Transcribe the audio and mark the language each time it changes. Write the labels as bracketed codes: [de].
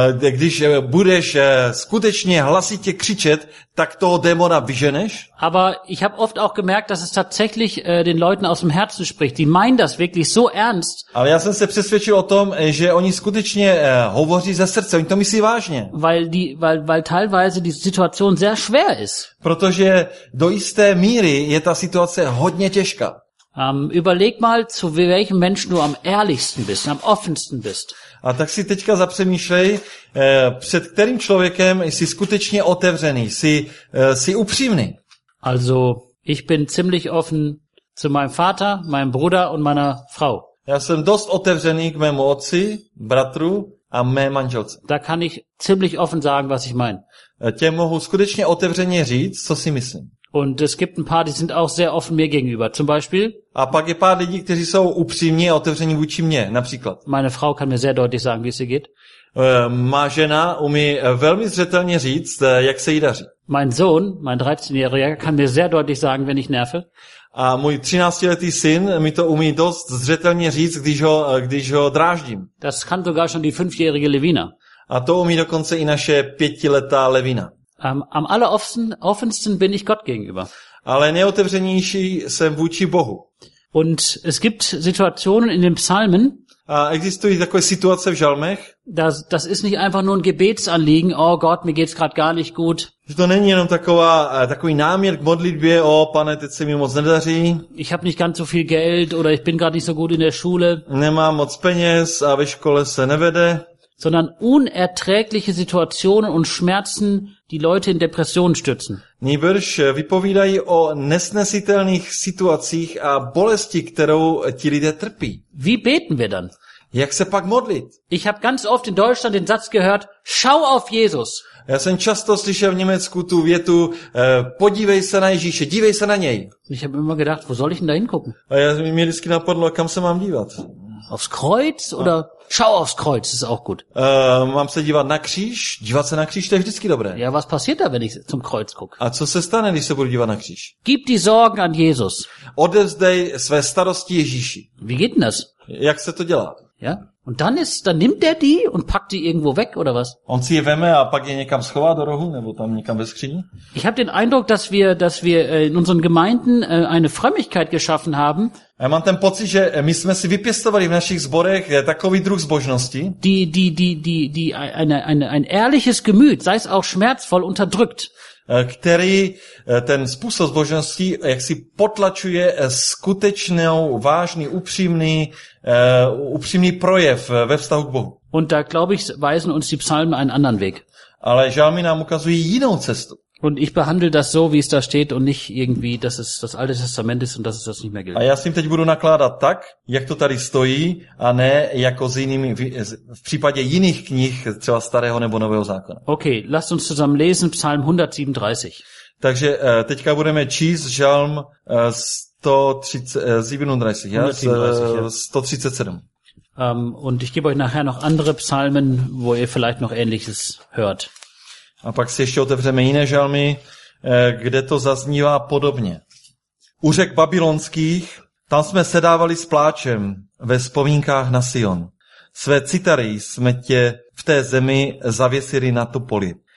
[cs] Když budeš skutečně hlasitě křičet, tak toho démona vyženeš. [de] Aber ich habe oft auch gemerkt, dass es tatsächlich den Leuten aus dem Herzen spricht. Die meinen das wirklich so ernst. [cs] Ale já jsem se přesvědčil o tom, že oni skutečně hovoří ze srdce. Oni to myslí vážně. [de] Weil teilweise die Situation sehr schwer ist. [cs] Protože do jisté míry je ta situace hodně těžká. [de] Überleg mal, zu welchem Menschen du am ehrlichsten bist, am offensten bist. [cs] A tak si teďka zapřemýšlej, před kterým člověkem jsi skutečně otevřený, jsi upřímný. [de] Also, ich bin ziemlich offen zu meinem Vater, meinem Bruder und meiner Frau. [cs] Já jsem dost otevřený k mému otci, bratru a mé manželce. [de] Da kann ich ziemlich offen sagen, was ich mein. [cs] Těm mohu skutečně otevřeně říct, co si myslím. [de] Und es gibt ein paar, die sind auch sehr offen mir gegenüber. Zum Beispiel. [cs] A pak je pár lidí, kteří jsou upřímní a otevření vůči mně, například. [de] Meine Frau kann mir sehr deutlich sagen, wie es ihr geht. [cs] Má žena umí velmi zřetelně říct, jak se jí daří. [de] Mein Sohn, mein 13-jähriger, kann mir sehr deutlich sagen, wenn ich nerve. [cs] A můj 13-letý syn mi to umí dost zřetelně říct, když ho dráždím. [de] Das kann sogar schon die 5-jährige Levina. [cs] A to umí dokonce i naše 5-letá Levina. [de] Am alleroffensten bin ich Gott gegenüber. [cs] Ale nejotevřenější jsem vůči Bohu. [de] Und es gibt Situationen in den Psalmen. [cs] A existují takové situace v žalmech. [de] Das ist nicht einfach nur ein Gebetsanliegen. Oh Gott, mir geht's gerade gar nicht gut. [cs] To není jenom takový náměr k modlitbě. O pane, teď se mi moc nedaří. [de] Ich habe nicht ganz so viel Geld oder ich bin gerade nicht so gut in der Schule. [cs] Nemám moc peněz a ve škole se nevede. [de] Sondern unerträgliche Situationen und Schmerzen, die Leute in Depressionen stürzen. [cs] Nýbrž vypovídají o nesnesitelných situacích a bolesti, kterou ti lidé trpí. [de] Wie beten wir dann? [cs] Jak se pak modlit? [de] Ich habe ganz oft in Deutschland den Satz gehört, schau auf Jesus. [cs] Já jsem často slyšel v Německu tu větu, podívej se na Ježíše, dívej se na něj. [de] Ich habe immer gedacht, wo soll ich denn da hingucken? [cs] A já mi vždycky napadlo, kam se mám dívat. [de] Aufs Kreuz oder schau aufs Kreuz, ist auch gut. [cs] Mám se dívat na kříž? Dívat se na kříž, to je vždycky dobré. [de] Ja, was passiert da, wenn ich zum Kreuz guck? [cs] A co se stane, když se budu dívat na kříž? [de] Gib die Sorgen an Jesus. [cs] Odevzdej své starosti Ježíši. [de] Wie geht denn das? [cs] Jak se to dělá? [de] Ja? Und dann nimmt der die und packt die irgendwo weg oder was? [cs] On si je veme a pak je někam schová do rohu nebo tam někam ve skříni? [de] Ich habe den Eindruck, dass wir in unseren Gemeinden eine Frömmigkeit geschaffen haben. [cs] Já mám ten pocit, že my jsme si vypěstovali v našich sborech takový druh zbožnosti. [de] Die ein ehrliches Gemüt, sei es auch schmerzvoll, unterdrückt. [cs] Který ten způsob zbožnosti jaksi potlačuje skutečnou, vážný, upřímný projev ve vztahu k Bohu. [de] Und da glaube ich, weisen uns die Psalmen einen anderen Weg. [cs] Ale žalmy nám ukazují jinou cestu. [de] Und ich behandle das so, wie es da steht und nicht irgendwie, dass es das Alte Testament ist und dass es das nicht mehr gilt. [cs] A já s tím teď budu nakládat tak, jak to tady stojí, a ne jako s jinými, v případě jiných knih, třeba Starého nebo Nového zákona. [de] Okay, lasst uns zusammen lesen, Psalm 137. [cs] Takže teďka budeme číst Žalm 137. [de] Und ich gebe euch nachher noch andere Psalmen, wo ihr vielleicht noch Ähnliches hört. [cs] A pak si ještě otevřeme jiné žalmy, kde to zaznívá podobně. U řek babylonských, tam jsme sedávali s pláčem ve vzpomínkách na Sion. Své citary jsme tě v té zemi zavěsili na topoli.